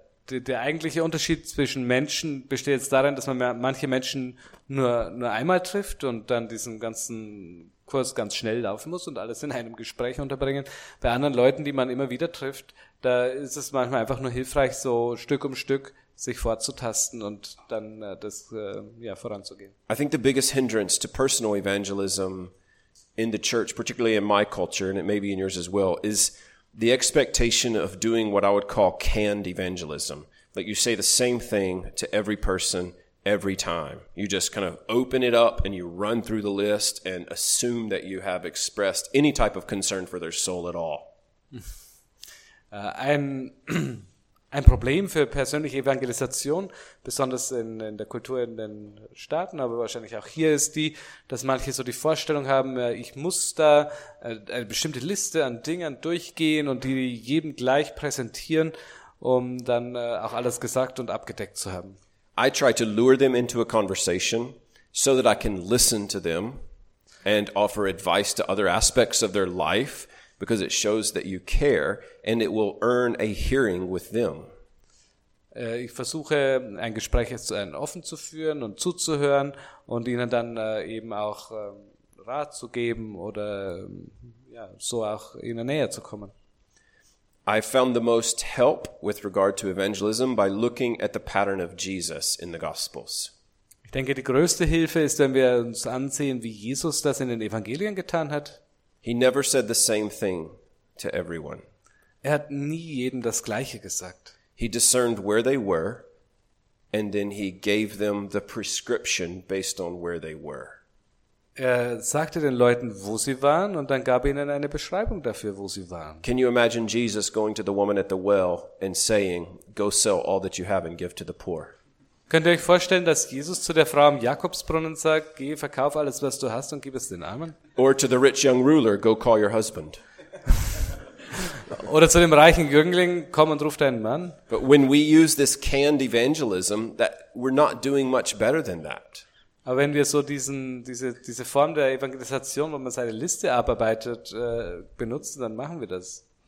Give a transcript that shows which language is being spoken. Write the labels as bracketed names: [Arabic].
[German] Der eigentliche Unterschied zwischen Menschen besteht jetzt darin, dass man manche Menschen nur einmal trifft und dann diesen ganzen Kurs ganz schnell laufen muss und alles in einem Gespräch unterbringen. Bei anderen Leuten, die man immer wieder trifft, da ist es manchmal einfach nur hilfreich, so Stück um Stück sich vorzutasten und dann voranzugehen. [English] I think the biggest hindrance to personal evangelism in the church, particularly in my culture, and it may be in yours as well, is the expectation of doing what I would call canned evangelism. Like you say the same thing to every person every time. You just kind of open it up and you run through the list and assume that you have expressed any type of concern for their soul at all. [German] Ein Problem für persönliche Evangelisation, besonders in der Kultur in den Staaten, aber wahrscheinlich auch hier, ist die, dass manche so die Vorstellung haben, ich muss da eine bestimmte Liste an Dingen durchgehen und die jedem gleich präsentieren, um dann auch alles gesagt und abgedeckt zu haben. [English] I try to lure them into a conversation so that I can listen to them and offer advice to other aspects of their life, because it shows that you care and it will earn a hearing with them. [German] Ich versuche ein Gespräch zu einem offen zu führen und zuzuhören und ihnen dann eben auch Rat zu geben oder so auch ihnen näher zu kommen. [English] I found the most help with regard to evangelism by looking at the pattern of Jesus in the Gospels. [German] Ich denke, die größte Hilfe ist, wenn wir uns ansehen, wie Jesus das in den Evangelien getan hat. [English] He never said the same thing to everyone. [German] Er hat nie jedem das Gleiche gesagt. [English] He discerned where they were, and then he gave them the prescription based on where they were. [German] Er sagte den Leuten, wo sie waren, und dann gab ihnen eine Beschreibung dafür, wo sie waren. [English] Can you imagine Jesus going to the woman at the well and saying, "Go sell all that you have and give to the poor"? [German] Könnt ihr euch vorstellen, dass Jesus zu der Frau am Jakobsbrunnen sagt, geh, verkauf alles, was du hast und gib es den Armen? [English] Or to the rich young ruler, go call your husband. [German] Oder zu dem reichen Jüngling, komm und ruf deinen Mann. [English] But when we use this canned evangelism, that we're not doing much better than that. [German] Aber wenn wir so diese Form der Evangelisation, wo man seine Liste abarbeitet, benutzen, dann machen wir das.